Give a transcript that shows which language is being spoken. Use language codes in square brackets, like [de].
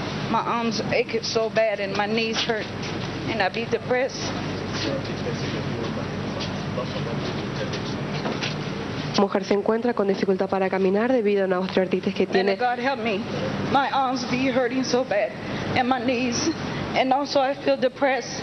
[en] My arms ache so bad and my knees hurt and I be depressed. [es] Mujer se encuentra con dificultad para caminar debido a una osteoartritis que tiene. [en] Man of God, help me. My arms be hurting so bad, and my knees, and also I feel depressed.